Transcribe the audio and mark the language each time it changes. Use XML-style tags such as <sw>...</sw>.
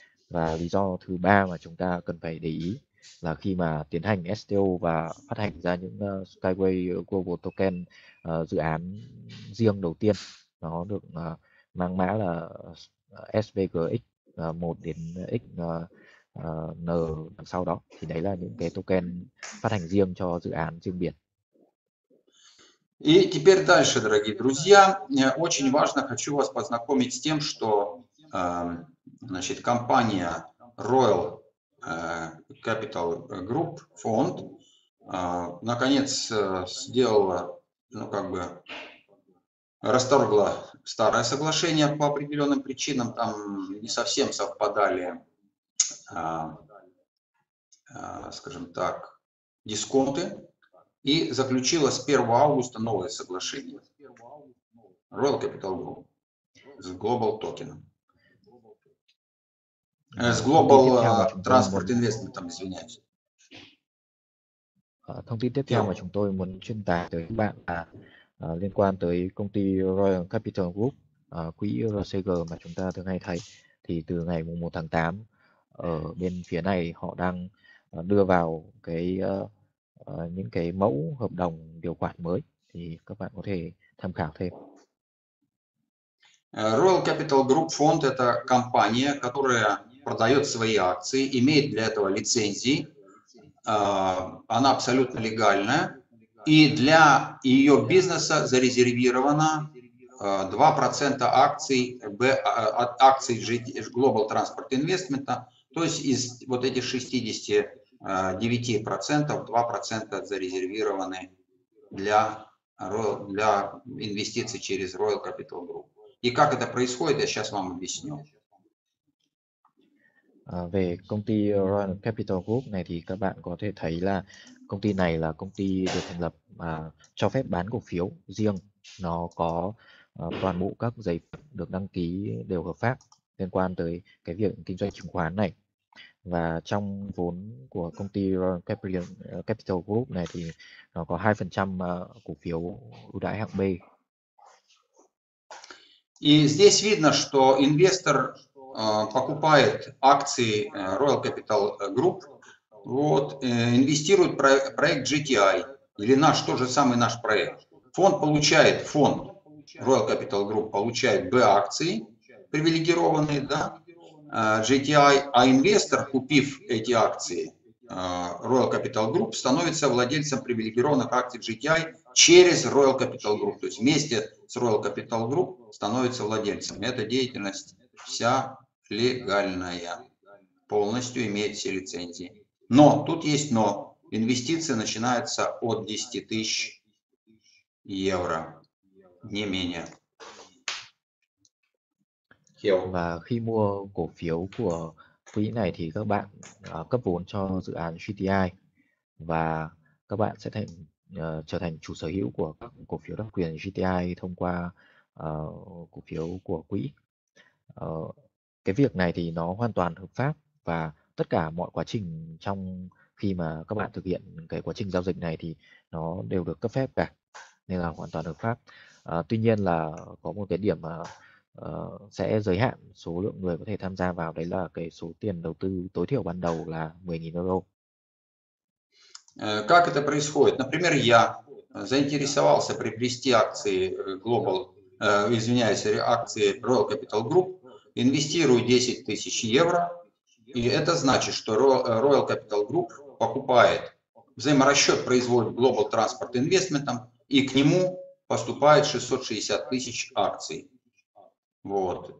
<vi>Và lý do thứ ba mà chúng ta cần phải để ý là khi mà tiến hành STO và phát hành ra những Skyway Global Token dự án riêng đầu tiên, nó được mang mã là SVGX 1 đến X N đằng sau đó, thì đấy là những cái token phát hành riêng cho dự án riêng biệt.</vi> <ru>И теперь дальше, дорогие друзья, очень важно, хочу вас познакомить с тем, что значит, компания Royal Capital Group фонд наконец сделала, ну как бы, расторгла старое соглашение по определенным причинам, там не совсем совпадали, скажем так, дисконты, и заключила с 1 августа новое соглашение Royal Capital Group с Global Token. С Global Transport Investment, извиняюсь.</ru> <vi>Thông tin tiếp theo mà chúng tôi muốn truyền tải tới các bạn là liên quan tới công ty Royal Capital Group, quỹ RCG mà chúng ta thường hay thấy, thì từ ngày 1 tháng 8 ở bên phía này họ đang đưa vào cái những cái mẫu hợp đồng điều khoản mới, thì các bạn có thể tham khảo thêm.</vi> <ru>Royal Capital Group Fund это компания, которая продает свои акции, имеет для этого лицензии. Она абсолютно легальная, и для ее бизнеса зарезервировано 2% акций, акций Global Transport Investment, то есть из вот этих 69% 2% зарезервированы для инвестиций через Royal Capital Group. И как это происходит, я сейчас вам объясню.</ru> <vi>Về công ty Royal Capital Group này thì các bạn có thể thấy là công ty này là công ty được thành lập mà cho phép bán cổ phiếu riêng, nó có toàn bộ các giấy được đăng ký đều hợp pháp liên quan tới cái việc kinh doanh chứng khoán này, và trong vốn của công ty Royal Capital Group này thì nó có 2% cổ phiếu ưu đãi hạng B.</vi> <ru>И здесь видно, что инвестор покупает акции Royal Capital Group, вот, инвестирует в проект GTI, или наш, тот же самый наш проект. Фонд получает, фонд Royal Capital Group получает B-акции, привилегированные, да, GTI, а инвестор, купив эти акции Royal Capital Group, становится владельцем привилегированных акций GTI через Royal Capital Group, то есть вместе с Royal Capital Group становится владельцем. Эта деятельность вся легальная, полностью имеет все лицензии. Но, тут есть но, инвестиции начинаются от 10 тысяч евро, не менее. Hiểu.</ru> <vi>Và khi mua cổ phiếu của quỹ này thì các bạn cấp vốn cho dự án GTI và các bạn sẽ thành trở thành chủ sở hữu của các cổ phiếu đặc quyền GTI thông qua cổ phiếu của quỹ. Cái việc này thì nó hoàn toàn hợp pháp, và tất cả mọi quá trình trong khi mà các bạn thực hiện cái quá trình giao dịch này thì nó đều được cấp phép cả, nên là hoàn toàn hợp pháp. Tuy nhiên là có một cái điểm mà sẽ giới hạn số lượng người có thể tham gia vào, đấy là cái số tiền đầu tư tối thiểu ban đầu là 10.000 euro.</vi> <ru>Как это происходит? Например, я заинтересовался приобрести акции Global, извиняюсь, акции Royal Capital Group. Инвестирую 10 тысяч евро, и это значит, что Royal Capital Group покупает, взаиморасчет производит Global Transport Investment, и к нему поступает 660 тысяч акций. Вот.</ru>